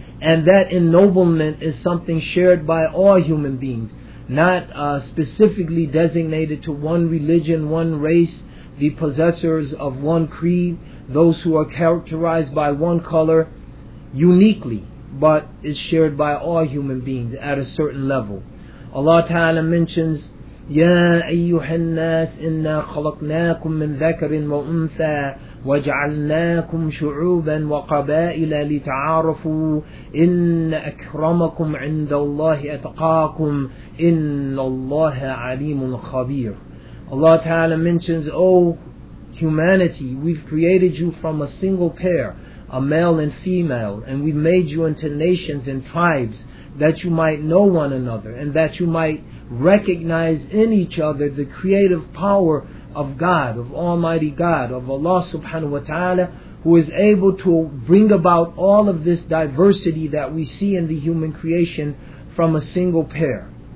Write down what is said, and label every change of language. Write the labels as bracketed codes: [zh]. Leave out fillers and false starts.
[en] And that ennoblement is something shared by all human beings, not specifically designated to one religion, one race, the possessors of one creed, those who are characterized by one color uniquely. But is shared by all human beings at a certain level. Allah Ta'ala mentions, [ar] يَا أَيُّهَا النَّاسِ إِنَّا خَلَقْنَاكُمْ مِنْ ذَكَرٍ وَأُنْثَى وَجَعَلْنَاكُمْ شُعُوبًا وَقَبَائِلَ لِتَعَارَفُوا إِنَّ أَكْرَمَكُمْ عِنْدَ اللَّهِ أَتْقَاكُمْ إِنَّ اللَّهَ عَلِيمٌ خَبِيرٌ [en] Allah Ta'ala mentions, O humanity, we've created you from a single pair. A male and female, and we've made you into nations and tribes that you might know one another and that you might recognize in each other the creative power of God, of Almighty God, of Allah subhanahu wa ta'ala, who is able to bring about all of this diversity that we see in the human creation from a single pair.